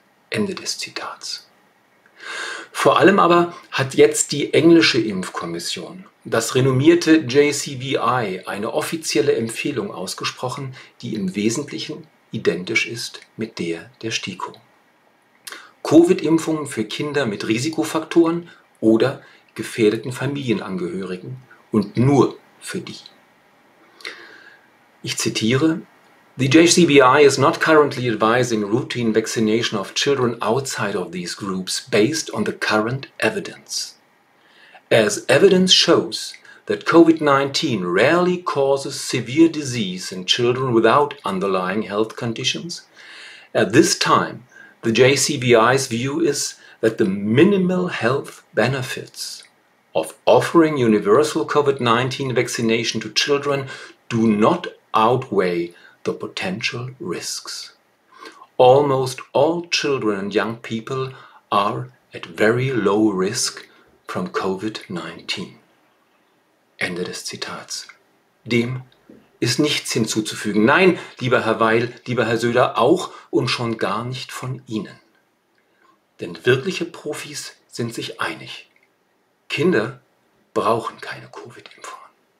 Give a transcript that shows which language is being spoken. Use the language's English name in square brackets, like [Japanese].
[German] Ende des Zitats. Vor allem aber hat jetzt die englische Impfkommission, das renommierte JCVI, eine offizielle Empfehlung ausgesprochen, die im Wesentlichen identisch ist mit der der STIKO. Covid-Impfungen für Kinder mit Risikofaktoren oder gefährdeten Familienangehörigen und nur für die. Ich zitiere, [English] The JCVI is not currently advising routine vaccination of children outside of these groups based on the current evidence. As evidence shows that COVID-19 rarely causes severe disease in children without underlying health conditions, at this time, the JCVI's view is that the minimal health benefits of offering universal COVID-19 vaccination to children do not outweigh the potential risks. Almost all children and young people are at very low risk from COVID-19. [German] Ende des Zitats. Dem ist nichts hinzuzufügen. Nein, lieber Herr Weil, lieber Herr Söder, auch und schon gar nicht von Ihnen. Denn wirkliche Profis sind sich einig. Kinder brauchen keine Covid-Impfungen.